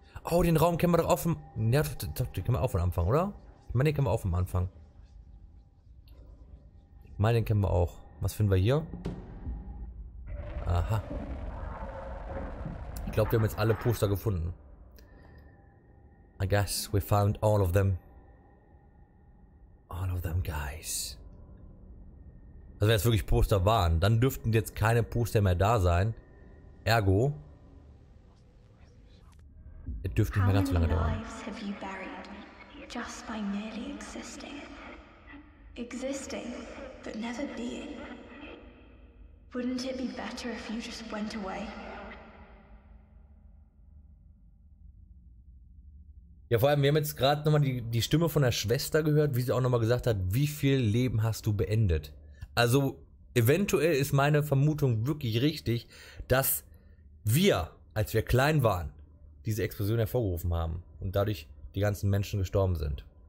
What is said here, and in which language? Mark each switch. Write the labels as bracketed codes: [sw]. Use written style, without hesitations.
[de] Oh, den Raum können wir doch offen. Ja, den können wir auch von Anfang, oder? Ich meine, den können wir auch vom Anfang. Ich meine, den können wir auch. Was finden wir hier? Aha. Ich glaube, wir haben jetzt alle Poster gefunden. [en] I guess we found all of them. All of them, guys. [de] Also, wenn es wirklich Poster waren, dann dürften jetzt keine Poster mehr da sein. Ergo. Es dürfte nicht mehr ganz so lange dauern. Wie viele Leben hast du [en] buried, just by merely existing? Existing, but never being. Wouldn't it be better if you just went away? [de] Ja, vor allem, wir haben jetzt gerade nochmal die Stimme von der Schwester gehört, wie sie auch nochmal gesagt hat, wie viel Leben hast du beendet? Also, eventuell ist meine Vermutung wirklich richtig, dass wir, als wir klein waren, diese Explosion hervorgerufen haben und dadurch die ganzen Menschen gestorben sind.